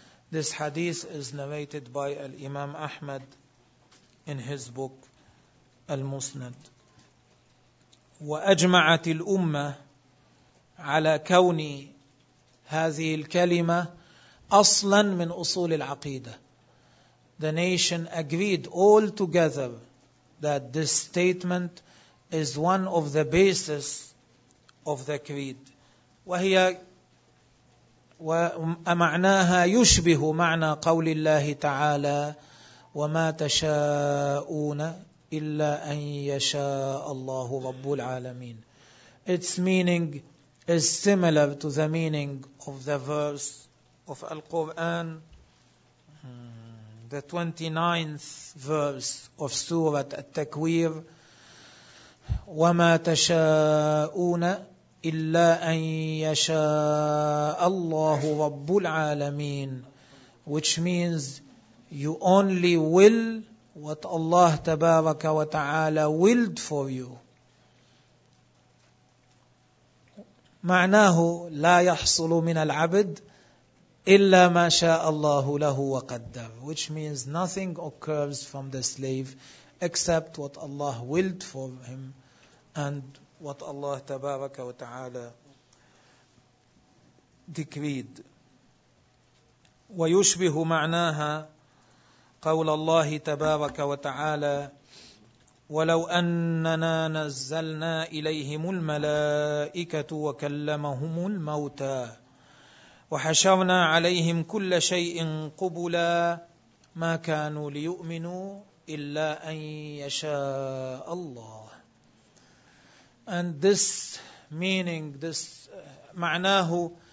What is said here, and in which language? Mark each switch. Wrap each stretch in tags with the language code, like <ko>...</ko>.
<en>This hadith is narrated by الإمام أحمد in his book المسند.</en> <ar>وأجمعت الأمة على كون هذه الكلمة أصلا من أصول العقيدة.</ar> <en>The nation agreed all together that this statement is one of the basis of the creed.</en> <ar>وهي ومعناها يشبه معنى قول الله تعالى, وما تشاءون إلا أن يشاء الله رب العالمين.</ar> <en>Its meaning is similar to the meaning of the verse of Al-Quran, the 29th verse of Surah At-Takwir,</en> <ar>وَمَا تَشَاءُونَ إِلَّا أَن يَشَاءَ اللَّهُ رَبُّ الْعَالَمِينَ,</ar> <en>which means you only will what Allah تبارك وتعالى willed for you.</en> <ar>معناه لا يحصل من العبد إلا ما شاء الله له وقدر,</ar> <en>which means nothing occurs from the slave except what Allah willed for him and what Allah تبارك وتعالى decreed.</en> <ar>ويشبه معناها قول الله تبارك وتعالى, ولو أننا نزلنا إليهم الملائكة وكلمهم الموتى وحشرنا عليهم كل شيء قبلا ما كانوا ليؤمنوا إلا أن يشاء الله.</ar> <en>And this meaning, this معناه</en>